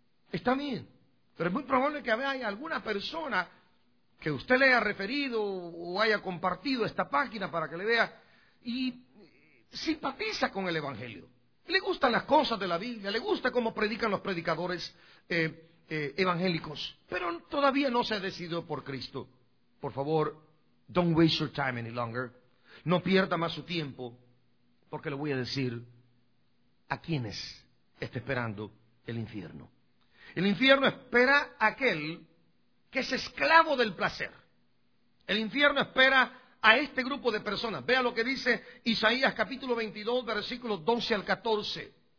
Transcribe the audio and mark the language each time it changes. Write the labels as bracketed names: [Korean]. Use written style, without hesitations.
[Spanish] Pero es muy probable que haya alguna persona que usted le haya referido o haya compartido esta página para que le vea y simpatiza con el Evangelio. Le gustan las cosas de la Biblia, le gusta cómo predican los predicadores evangélicos, pero todavía no se ha decidido por Cristo. Por favor, [English] don't waste your time any longer. [Spanish] No pierda más su tiempo, porque le voy a decir a quienes está esperando el infierno. El infierno espera a aquel que es esclavo del placer. El infierno espera a este grupo de personas. Vea lo que dice Isaías capítulo 22, versículos 12 al 14.